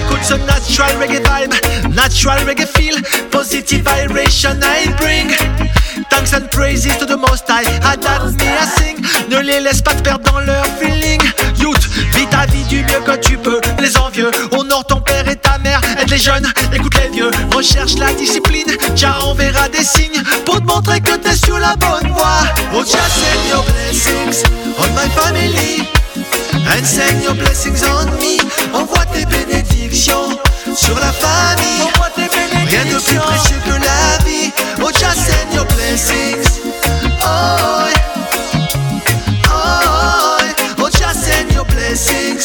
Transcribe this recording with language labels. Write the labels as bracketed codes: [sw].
[en] Natural reggae feel, positive vibration I bring. Thanks and praises to the Most High, Adam, me I sing. [fr] Ne les laisse pas te perdre dans leur feeling. Youth, vis ta vie du mieux que tu peux. Les envieux, honore ton père et ta mère. Aide les jeunes, écoute les vieux. Recherche la discipline, tiens on verra des signes pour te montrer que t'es sur la bonne voie. [en] Oh tja, send your blessings on my family, and send your blessings on me. [fr] Envoie tes bénédictions sur la famille, rien de plus précieux que la vie. [en] Oh, just send your blessings. blessings. Oh, oh, oh, just send your blessings.